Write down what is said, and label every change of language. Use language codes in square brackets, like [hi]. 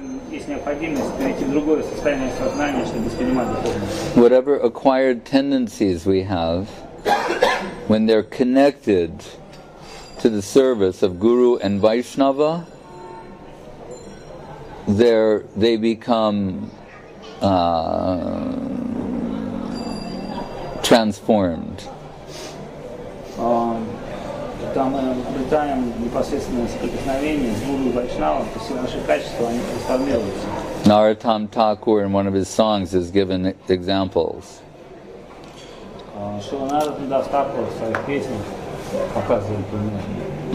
[ru] Есть необходимость перейти в другое состояние сознания, чтобы воспринимать духовное. [en] Whatever acquired tendencies we have, when they're connected to the service of Guru and Vaishnava, they become transformed. [ru] Там мы обретаем непосредственное соприкосновение с Гуру Вайшнавом, то все наши качества, они трансформируются. [en] Наратам Такур in one of his songs has given examples. [ru] Шрила Наратам Такур в своих песнях показывает примеры.